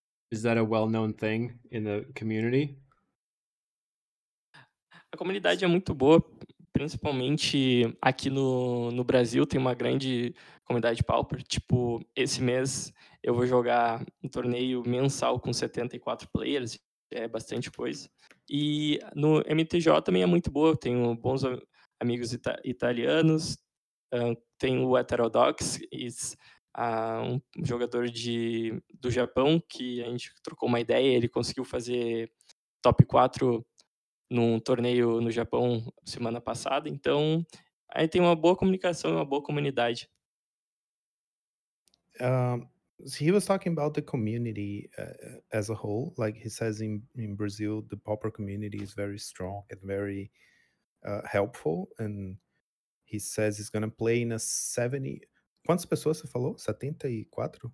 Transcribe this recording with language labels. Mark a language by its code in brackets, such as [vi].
[en] Is that a well-known thing in the community? [pt] A comunidade é muito boa, principalmente aqui no Brasil, tem uma grande comunidade Pauper. Tipo, esse mês eu vou jogar um torneio mensal com 74 players, é bastante coisa. E no MTGO também é muito boa, tenho bons amigos italianos. Tem o Heterodox, um jogador do Japão, que a gente trocou uma ideia, ele conseguiu fazer top 4 num torneio no Japão semana passada. Então, aí tem uma boa comunicação e uma boa comunidade. [en] He was talking about the community as a whole. Like he says, in Brazil, the Pauper community is very strong and very helpful. And he says he's gonna play in a 70. [pt] Quantas pessoas você falou? 74?